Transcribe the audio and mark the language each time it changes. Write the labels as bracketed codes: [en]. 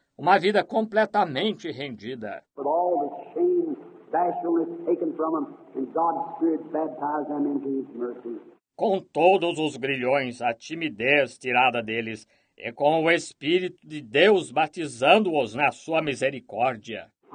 [pt] Uma vida completamente rendida. [en] With all the shame, bashfulness taken from them, and God's Spirit baptized them into His mercy. [pt] Com todos os grilhões, a timidez tirada deles, e com o Espírito de Deus batizando-os na sua misericórdia.